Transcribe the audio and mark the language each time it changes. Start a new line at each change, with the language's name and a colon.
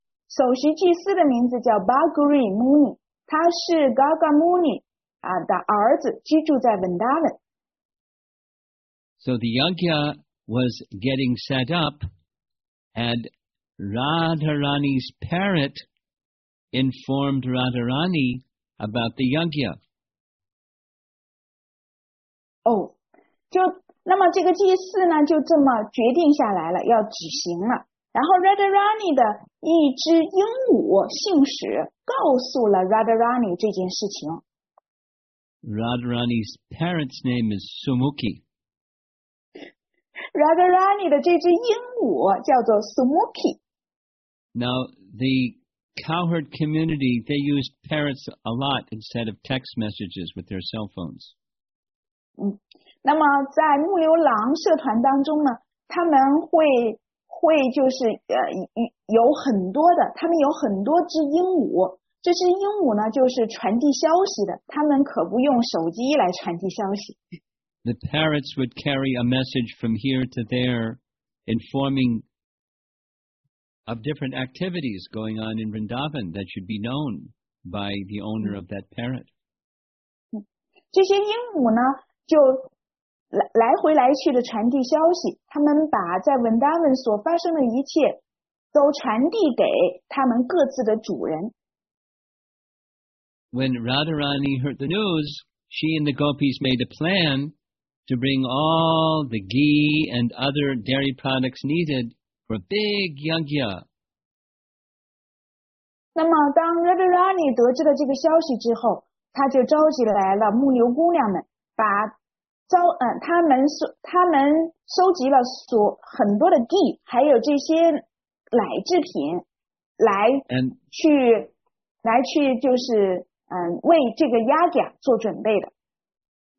Chinese: 首席祭司的名字叫 Bhaguri Muni， 他是 Garga Muni 的儿子，居住在 Vrindavan。
English: So the yagya was getting set up, and Radharani's parrot informed Radharani about the yagya.
Chinese: Oh, 就那么这个祭祀呢，就这么决定下来了，要举行了。然后 Radharani 的一只鹦鹉姓史告诉了 Radharani 这件事情。
English: Radharani's parrot's name is Sumukhi.
Chinese: Radharani 的这只鹦鹉叫做 Sumukhi.
English: Now, the cowherd community, they used parrots a lot instead of text messages with their cell phones.
Chinese: 那么在牧牛郎社团当中呢，他们会就是他们有很多只鹦鹉，这只鹦鹉呢就是传递消息的，他们可不用手机来传递消息。
English: The parrots would carry a message from here to there, informing of different activities going on in Vrindavan that should be known by the owner of that parrot.
Chinese: 这些鹦鹉呢，就来回来去的传递消息，他们把在 Vrindavan 所发生的一切都传递给他们各自的主人。
English: When Radharani heard the news, she and the gopis made a plan. To bring all the ghee and other dairy products needed for a big yagya.
Chinese: 那么当 Radharani 得知了这个消息之后，他就召集来了牧牛姑娘们，他们收集了所很多的 ghee， 还有这些奶制品，来去就是为这个 yagya 做准备的。